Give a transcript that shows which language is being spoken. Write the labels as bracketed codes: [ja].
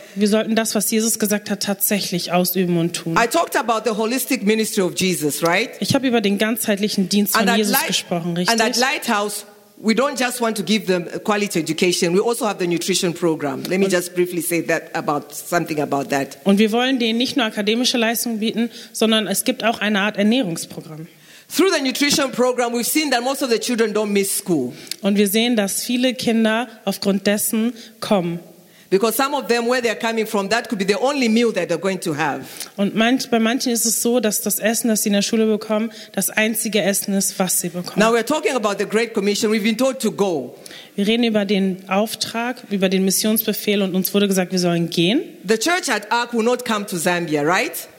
[de] wir sollten das, was Jesus gesagt hat, tatsächlich ausüben und tun. [en] I talked about the holistic ministry of Jesus, right? [de] Ich habe über den ganzheitlichen Dienst von Jesus gesprochen, richtig? [en] And at Lighthouse, we don't just want to give them a quality education. We also have the nutrition program. Let me just briefly say that about something about that. [de] Und wir wollen denen nicht nur akademische Leistungen bieten, sondern es gibt auch eine Art Ernährungsprogramm. [en] Through the nutrition program, we've seen that most of the children don't miss school. [de] Und wir sehen, dass viele Kinder aufgrund dessen kommen. [en] Because some of them, where they're coming from, that could be the only meal that they're going to have. [de] Und bei manchen ist es so, dass das Essen, das sie in der Schule bekommen, das einzige Essen ist, was sie bekommen. [en] Now we're talking about the Great Commission. We've been told to go. [de] Wir reden über den Auftrag, über den Missionsbefehl, und uns wurde gesagt, wir sollen gehen. [en] The church at Ark will not come to Zambia, right?